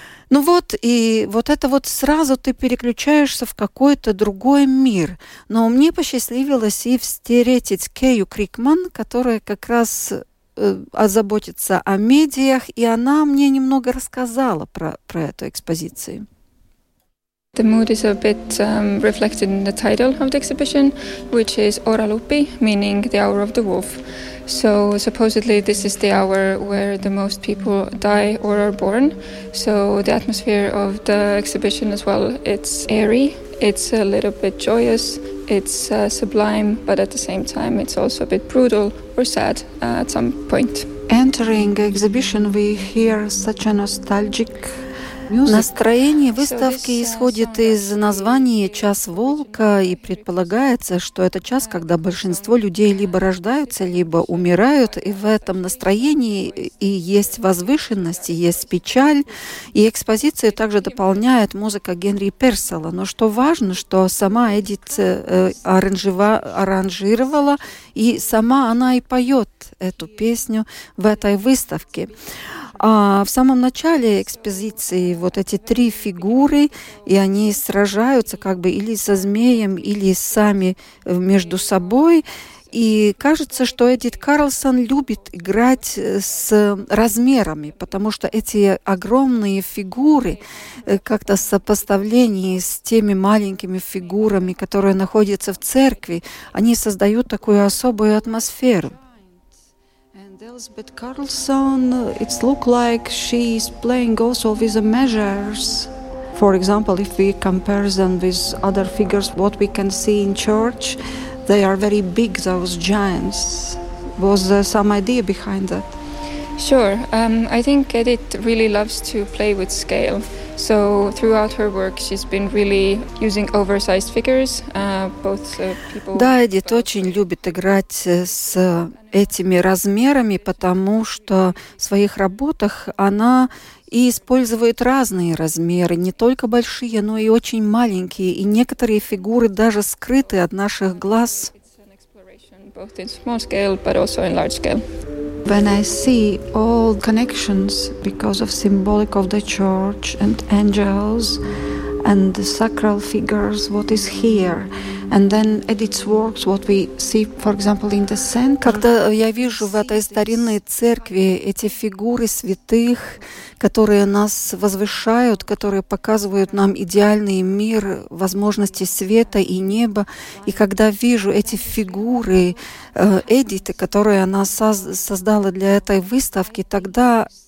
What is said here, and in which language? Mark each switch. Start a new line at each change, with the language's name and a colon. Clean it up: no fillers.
Russian: Ну вот, и вот это вот сразу ты переключаешься в какой-то другой мир. Но мне посчастливилось и встретить Кею Крикман, которая как раз озаботится о медиях, и она мне немного рассказала про эту экспозицию.
English: The mood is a bit reflected in the title of the exhibition, which is Ora Lupi, meaning the hour of the wolf. So supposedly this is the hour where the most people die or are born. So the atmosphere of the exhibition as well, it's airy, it's a little bit joyous, it's sublime, but at the same time it's also a bit brutal or sad at some point. Entering the exhibition we hear such a nostalgic music.
Russian: Настроение выставки исходит из названия «Час волка», и предполагается, что это час, когда большинство людей либо рождаются, либо умирают, и в этом настроении и есть возвышенность, и есть печаль, и экспозицию также дополняет музыка Генри Перселла. Но что важно, что сама Эдит аранжировала, и сама она и поет эту песню в этой выставке. А в самом начале экспозиции вот эти три фигуры, и они сражаются как бы или со змеем, или сами между собой. И кажется, что Эдит Карлсон любит играть с размерами, потому что эти огромные фигуры как-то в сопоставлении с теми маленькими фигурами, которые находятся в церкви, они создают такую особую атмосферу.
English: Elsbeth Carlson, it looks like she's playing also with the measures. For example, if we compare them with other figures, what we can see in church, they are very big, those giants. Was there some idea behind that? Sure. I think Edith really loves to play with scale. So throughout her work she's been really using oversized figures, both people.
Russian: Да, Эдит очень любит играть с этими размерами, потому что в своих работах она и использует разные размеры, не только большие, но и очень маленькие, и некоторые фигуры даже скрыты от наших глаз.
English: Both in small scale but also in large scale. When I see all connections because of symbolic of the church and angels and the sacral figures, what is here, and then Edith's works, what we see, for example, in the center.
Russian: Когда я вижу в этой старинной церкви эти фигуры святых, которые нас возвышают, которые показывают нам идеальный мир, возможности света и неба. И когда вижу эти фигуры Эдиты, которые она создала для этой выставки, тогда